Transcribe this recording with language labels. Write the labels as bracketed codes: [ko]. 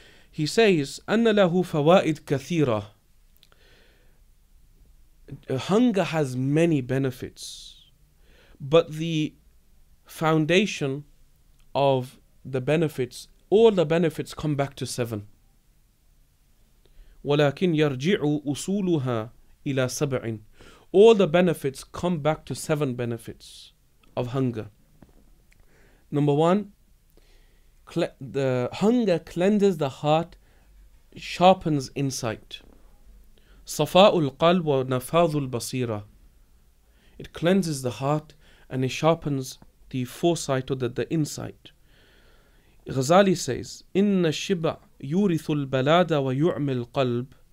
[en] He says, [ar] أَنَّ لَهُ فَوَائِدْ كَثِيرًا. [en] Hunger has many benefits, but the foundation of the benefits, all the benefits come back to seven. [ar] وَلَكِنْ يَرْجِعُ أُصُولُهَا إِلَى سَبْعٍ. [en] All the benefits come back to seven benefits of hunger. Number one, the hunger cleanses the heart, sharpens insight. [ar] صَفَاءُ الْقَلْبُ وَنَفَاذُ الْبَصِيرَةِ. [en] It cleanses the heart and it sharpens the foresight or the insight. Ghazali says, [ar] إِنَّ الشِّبَعْ يُورِثُ الْبَلَادَ وَيُعْمِ الْقَلْبِ.